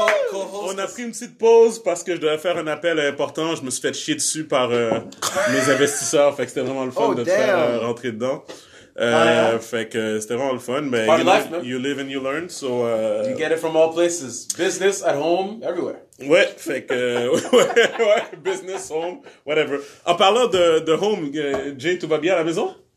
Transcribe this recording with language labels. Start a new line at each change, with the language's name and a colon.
French: On a pris une petite pause parce que je devais faire un appel important. Je me suis fait chier dessus par mes investisseurs. Fait que c'était vraiment le fun de te faire rentrer dedans. Fait que c'était vraiment le fun, mais
English: you live and you learn, so you get it from all places, business, at home, everywhere.
French: Ouais, fait que ouais, business, home, whatever. En parlant de home, Jay, tout va bien à la maison?